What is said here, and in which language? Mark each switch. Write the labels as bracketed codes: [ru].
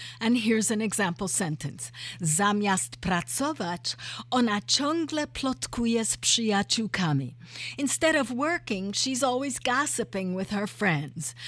[en] And here's an example sentence. [pl] Zamiast pracować, ona ciągle plotkuje z przyjaciółkami. [en] Instead of working, she's always gossiping with her friends.